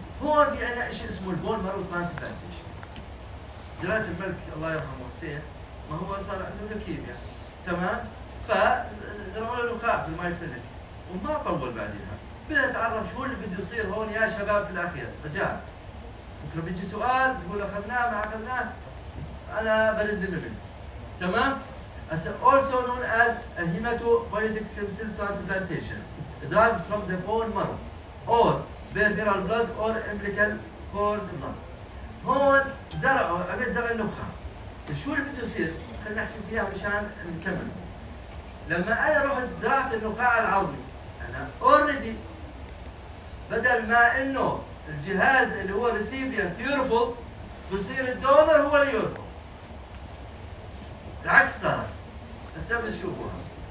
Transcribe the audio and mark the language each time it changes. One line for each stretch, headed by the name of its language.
Arabic: هون في عندنا شيء اسمه البون مارو ترانسبلانتيشن. جلاله الملك الله يرحمه حسين ما هو صار عنده لوكيميا، تمام؟ فزرعوا له لقاح في الماي كلينك وما طول بعدها. بدأ تعرف شو اللي بده يصير هون يا شباب في الأخير، رجاء. ممكن بيجي سؤال بيقول أخذناه ما أخذناه، أنا برد الدم.
English: تمام؟ also known as a hematopoietic stem cell transplantation derived from the bone marrow or peripheral blood or umbilical cord blood.
Arabic: هون زرعوا عملت زرع النخاع. شو اللي بده يصير؟ خلينا نحكي فيها مشان نكمل. لما أنا رحت زرعت النخاع العظمي أنا already، بدل ما انه الجهاز اللي هو ريسيبيانت يرفض بصير الدونر هو اللي يرفض. العكس صار. هسه بتشوفوها.